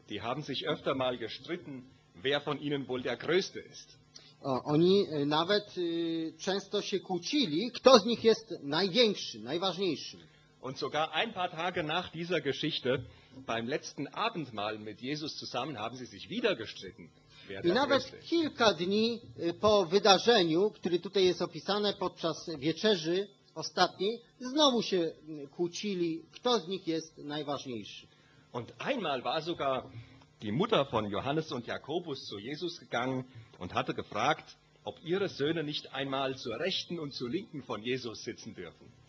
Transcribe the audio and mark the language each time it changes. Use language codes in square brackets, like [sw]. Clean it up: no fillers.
[de] Die haben sich öfter mal gestritten, wer von ihnen wohl der Größte ist. [pl] Oni nawet często się kłócili, kto z nich jest największy, najważniejszy. [de] Und sogar ein paar Tage nach dieser Geschichte, beim letzten Abendmahl mit Jesus zusammen, haben sie sich wieder gestritten. [pl] I nawet kilka dni po wydarzeniu, które tutaj jest opisane podczas wieczerzy ostatniej, znowu się kłócili, kto z nich jest najważniejszy. [de] Und einmal war sogar die Mutter von Johannes und Jakobus zu Jesus gegangen und hatte gefragt, ob ihre Söhne nicht einmal zur Rechten und zur Linken von Jesus sitzen dürfen.